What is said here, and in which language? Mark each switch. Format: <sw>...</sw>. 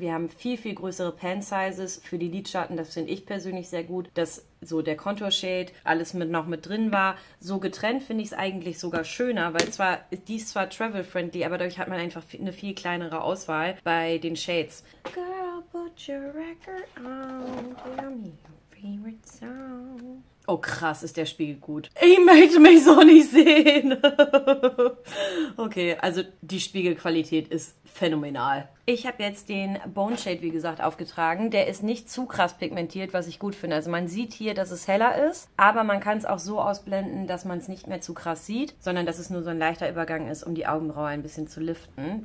<de>Wir haben viel, viel größere Pan-Sizes für die Lidschatten. Das finde ich persönlich sehr gut, dass so der Contour-Shade alles noch mit drin war. So getrennt finde ich es eigentlich sogar schöner, weil zwar die ist zwar travel-friendly, aber dadurch hat man einfach eine viel kleinere Auswahl bei den Shades.</de> <en>Girl, put your record on. Tell me your favorite song.</en> <de>Oh krass, ist der Spiegel gut. Ich möchte mich so nicht sehen. Okay, also die Spiegelqualität ist phänomenal. Ich habe jetzt den Bone Shade, wie gesagt, aufgetragen. Der ist nicht zu krass pigmentiert, was ich gut finde. Also man sieht hier, dass es heller ist, aber man kann es auch so ausblenden, dass man es nicht mehr zu krass sieht, sondern dass es nur so ein leichter Übergang ist, um die Augenbraue ein bisschen zu liften.</de>